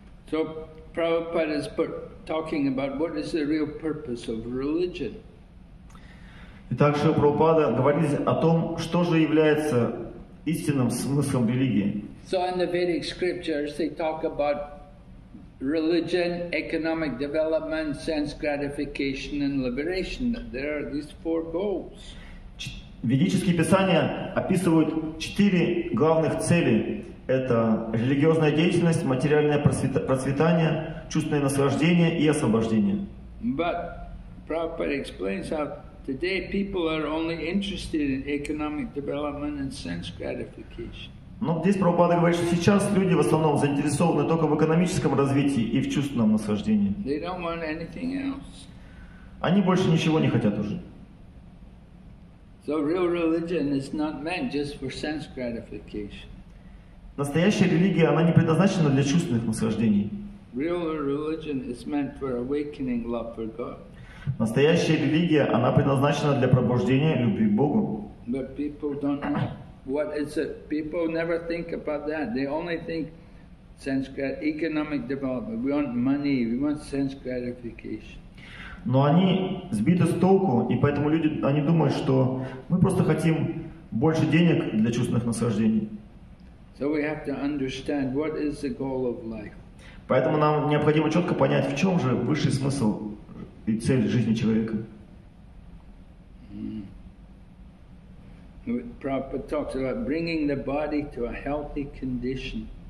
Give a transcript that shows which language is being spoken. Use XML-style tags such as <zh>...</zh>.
<en>So, Prabhupada is talking about what is the real purpose of religion.</en> <ru>Итак, Шрила Прабхупада говорит о том, что же является истинным смыслом религии.</ru> <en>So in the Vedic scriptures they talk about religion, economic development, sense gratification and liberation. There are these four goals.</en> <ru>Ведические писания описывают четыре главных цели. Это религиозная деятельность, материальное процветание, чувственное наслаждение и освобождение.</ru> <en>But Prabhupada explains how today people are only interested in economic development and sense gratification.</en> <ru>Но здесь Прабхупада говорит, что сейчас люди в основном заинтересованы только в экономическом развитии и в чувственном наслаждении.</ru> <en>They don't want anything else.</en> <ru>Они больше ничего не хотят уже.</ru> <en>So real religion is not meant just for sense gratification.</en> <ru>Настоящая религия, она не предназначена для чувственных наслаждений.</ru> <en>Real religion is meant for awakening love for God.</en> <ru>Настоящая религия, она предназначена для пробуждения любви к Богу.</ru> <en>But people don't know what is it. People never think about that. They only think sense economic development. We want money. We want sense gratification.</en> <ru>Но они сбиты с толку, и поэтому люди, они думают, что мы просто хотим больше денег для чувственных наслаждений.</ru> <en>So we have to understand what is the goal of life.</en> <ru>Поэтому нам необходимо четко понять, в чем же высший смысл и цель жизни человека.</ru> <en>Prabhupada talks about bringing the body to a healthy condition.</en>